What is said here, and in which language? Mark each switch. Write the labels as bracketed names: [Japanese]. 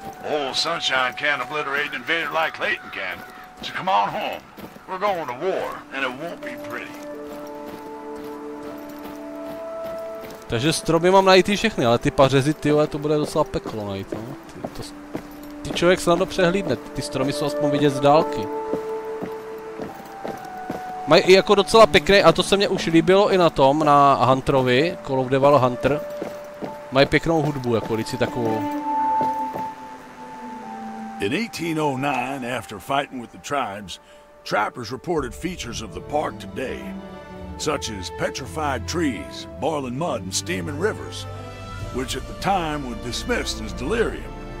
[English] Old Sunshine can't obliterate an invader like Clayton can. So come on home. We're going to war, and it won't be pretty. [Czech] Takže stromy mám najít všechny, ale ty pařezy, ty jo, to bude docela peklo najít, no. Ty člověk snadno přehlídne, ty stromy jsou aspoň vidět z dálky. Mají i jako docela pěkný, a to se mě už líbilo i na tom, na Hunterovi, Call of the Wild Hunter. Mají pěknou hudbu, jako lici takovou. [English] In 1809, after fighting with the tribes, trappers reported features of the park today, such as petrified trees, boiling mud, and steaming rivers, which at the time were dismissed as delirium.